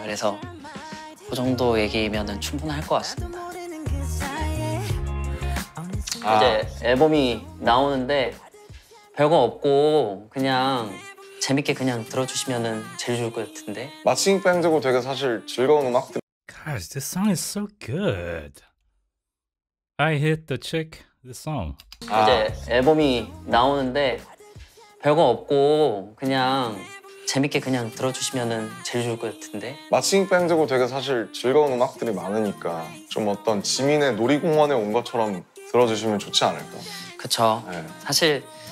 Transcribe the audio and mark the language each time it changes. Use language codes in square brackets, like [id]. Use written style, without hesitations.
[ko] 그래서 그 정도 얘기면은 충분할 것 같습니다. 아. 이제 앨범이 나오는데 별거 없고 그냥 재밌게 그냥 들어주시면은 제일 좋을 것 같은데. 마칭 밴드고 되게 사실 즐거운 음악들. [en] Guys, this song is so good. I hit the chick, this song. [ko] 아. 이제 앨범이 나오는데 별거 없고 그냥 재밌게 그냥 들어주시면은 제일 좋을 것 같은데. 마칭 밴드고 되게 사실 즐거운 음악들이 많으니까 좀 어떤 지민의 놀이공원에 온 것처럼 들어주시면 좋지 않을까. 그쵸. 네. 사실.